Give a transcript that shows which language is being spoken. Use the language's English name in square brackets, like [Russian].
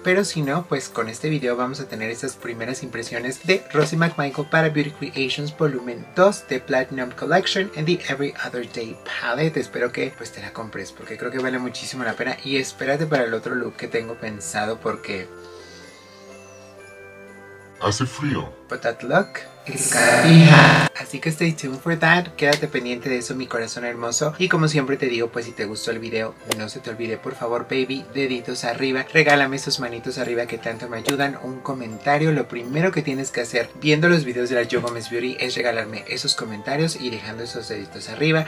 [Spanish] Pero si no, pues con este video vamos a tener esas primeras impresiones de Rosie McMichael para Beauty Creations Volumen 2 de Platinum Collection and the Every Other Day Palette. Espero que pues te la compres, porque creo que vale muchísimo la pena. Y espérate para el otro look que tengo pensado, porque hace frío. [English] But that look is gonna be hot. [Spanish] Así que [English] stay tuned for that. [Spanish] Quédate pendiente de eso, mi corazón hermoso. Y como siempre te digo, pues si te gustó el video, no se te olvide, por favor, baby, deditos arriba. Regálame esos manitos arriba que tanto me ayudan. Un comentario. Lo primero que tienes que hacer viendo los videos de la Joe Gomez Beauty es regalarme esos comentarios y dejando esos deditos arriba.